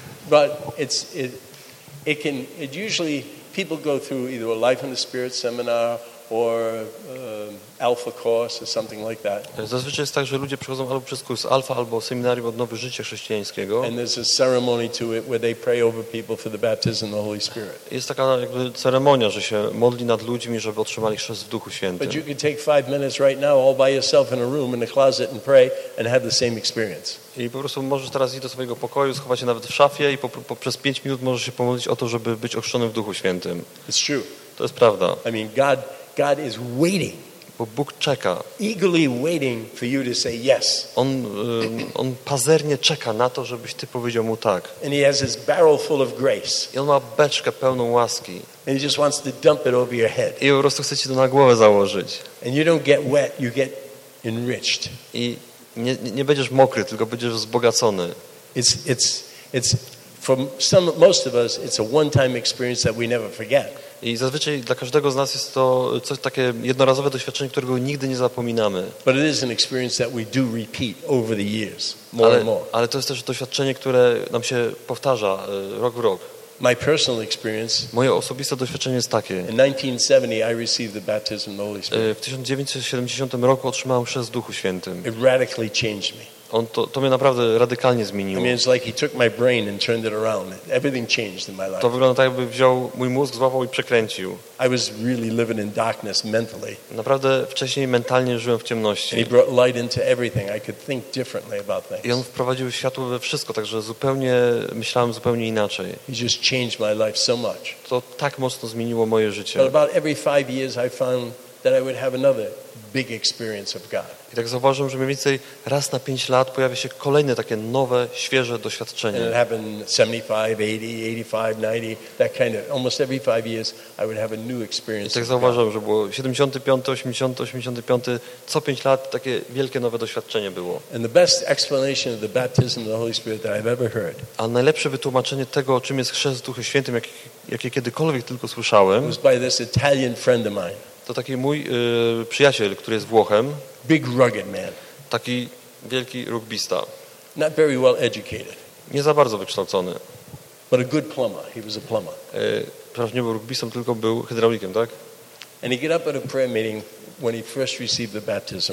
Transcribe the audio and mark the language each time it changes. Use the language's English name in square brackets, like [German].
[English] But it's it can it usually people go through either a life in the spirit seminar or Alpha course or something like that. [Polish] Zazwyczaj jest tak, że ludzie przychodzą albo przez kurs Alpha, albo seminarium Odnowy Życia Chrześcijańskiego. [English] And there's a ceremony to it where they pray over people for the baptism of the Holy Spirit. [Polish] Jest taka jakby ceremonia, że się modli nad ludźmi, żeby otrzymali chrzest w Duchu Świętym. [English] But you can take 5 minutes right now all by yourself in a room in a closet and pray and have the same experience. [Polish] I po prostu możesz teraz iść do swojego pokoju, schować się nawet w szafie i przez 5 minut możesz się pomodlić o to, żeby być ochrzczonym w Duchu Świętym. [English] It's true. [Polish] To jest prawda. [English] I mean, God is waiting. [Polish] Bo Bóg czeka. [English] Eagerly waiting for you to say yes. [Polish] On pazernie czeka na to, żebyś ty powiedział mu tak. [English] And he has his barrel full of grace. [Polish] I on ma beczkę pełną łaski. [English] And he just wants to dump it over your head. [Polish] I po prostu chce ci to na głowę założyć. [English] And you don't get wet, you get enriched. [Polish] I nie będziesz mokry, tylko będziesz wzbogacony. [English] It's for some most of us it's a one-time experience that we never forget. [Polish] I zazwyczaj dla każdego z nas jest to coś takie jednorazowe doświadczenie, którego nigdy nie zapominamy. [English] But it is an experience that we do repeat over the years, more. [Polish] Ale to jest też doświadczenie, które nam się powtarza rok w rok. [English] My personal experience. [Polish] Moje osobiste doświadczenie jest takie. [English] In 1970 I received the baptism of the Holy Spirit. [Polish] W 1970 roku otrzymałem chrzest w Duchu Świętym. [English] It radically changed me. [Polish] On to mnie naprawdę radykalnie zmieniło. [English] I mean, it's like he took my brain and turned it around. Everything changed in my life. [Polish] To wygląda tak, jakby wziął mój mózg, złapał i przekręcił. [English] I was really living in darkness mentally. [Polish] Naprawdę wcześniej mentalnie żyłem w ciemności. [English] And he brought light into everything. I could think differently about things. [Polish] I on wprowadził światło we wszystko, także zupełnie myślałem zupełnie inaczej. [English] He just changed my life so much. [Polish] To tak mocno zmieniło moje życie. [English] But about every 5 years I found that I would have another big experience of God. [Polish] I tak zauważyłem, że mniej więcej raz na 5 lat pojawia się kolejne takie nowe, świeże doświadczenie. [English] And it happened 75, 80, 85, 90, that kind of, almost every 5 years I would have a new experience. [Polish] I tak zauważyłem, że było 75, 80, 85, co 5 lat takie wielkie nowe doświadczenie było. [English] And the best explanation of the baptism of the Holy Spirit that I've ever heard. [Polish] A najlepsze wytłumaczenie tego, czym jest chrzest w Duchu Świętym, jakie kiedykolwiek tylko słyszałem. [English] Was by this Italian friend of mine. [Polish] To taki mój przyjaciel, który jest Włochem. [English] Big rugged man. [Polish] Taki wielki rugbista. [English] Not very well educated. [Polish] Nie za bardzo wykształcony. [English] But a good plumber. He was a plumber. [Polish] Przecież nie był rugbistą, tylko był hydraulikiem, tak? [English] And he got up at a prayer meeting when he first received the baptism.